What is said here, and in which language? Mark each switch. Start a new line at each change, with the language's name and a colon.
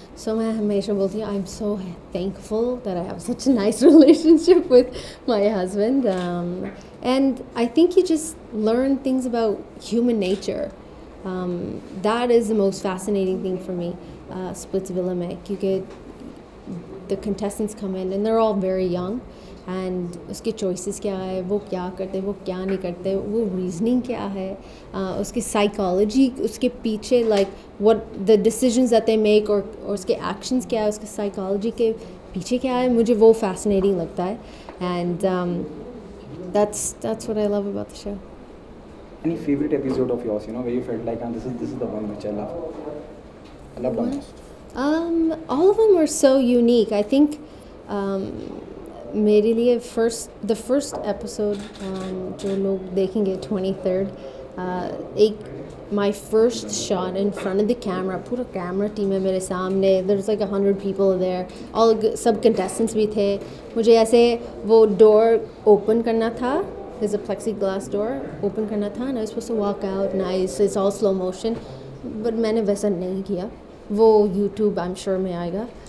English: So I'm so thankful that I have such a nice relationship with my husband. And I think you just learn things about human nature. That is the most fascinating thing for me, Splitsvilla में. You get the contestants come in and they're all very young.
Hindi: And उसके choices क्या है, वो क्या करते, वो क्या नहीं करते, वो reasoning क्या है, उसके psychology, उसके पीछे,
English: like what the decisions that they make, or
Hindi: उसके actions क्या है, उसके psychology के पीछे क्या है, मुझे वो fascinating लगता है.
English: And that's what I love about the show. Any favorite episode of yours, you know, where you felt like, this is the one which I love the most? All of them were so unique. I think
Hindi: मेरे लिए
English: the first episode
Hindi: जो लोग देखेंगे
English: 23rd my first shot in front of the camera,
Hindi: पूरा camera team है मेरे सामने,
English: there's like 100 people there,
Hindi: सब contestants भी थे, मुझे ऐसे वो door open करना था,
English: there's a plexiglass door open करना था, and I was supposed to walk out nice, it's all slow motion, but
Hindi: मैंने वैसा नहीं किया, वो YouTube
English: I'm sure में आयेगा.